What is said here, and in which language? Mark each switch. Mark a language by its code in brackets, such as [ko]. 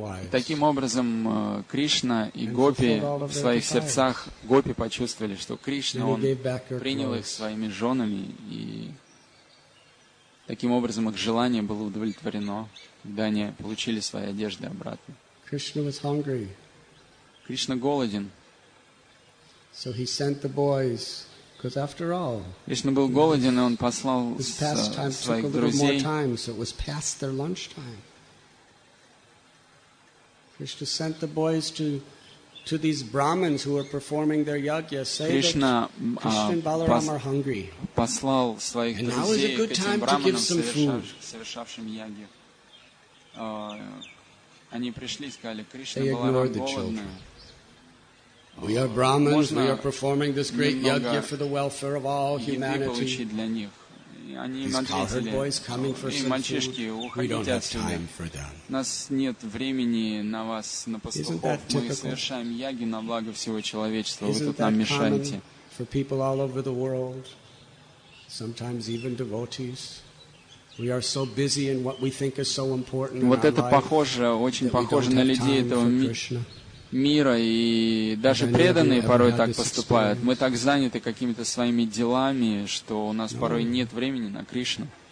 [ru] Таким образом, Кришна и гопи в своих сердцах, гопи почувствовали, что Кришна, он принял их своими женами, и таким образом их желание было удовлетворено, когда они получили свои одежды обратно. Кришна голоден. [en] So he sent the boys. Because after all, [ru] Кришна был голоден, и он послал своих друзей. [en] So it was past their lunchtime. Krishna sent the boys to these Brahmins who were performing their yagya. Say Krishna, that Krishna and Balaram are hungry. [ru] Послал своих [en] and [ru] друзей [en] now is a good time to give some food. [ru] Совершавшим ягью. Они пришли и сказали: Кришна, Баларам голоден. [en] We are Brahmins, we are performing this great yagya for the welfare of all humanity. These cowherd boys coming for some food, we don't have time for them. [ru] Нас нет времени на вас, на пастухов. Мы совершаем яги на благо всего человечества. Вы тут нам мешаете. [en] For people all over the world, sometimes even devotees, we are so busy in what we think is so important in our life, [ru] вот это похоже, очень похоже на людей этого мира. Мира, и даже преданные порой так поступают. Мы так заняты какими-то своими делами, что у нас порой нет времени на Кришну.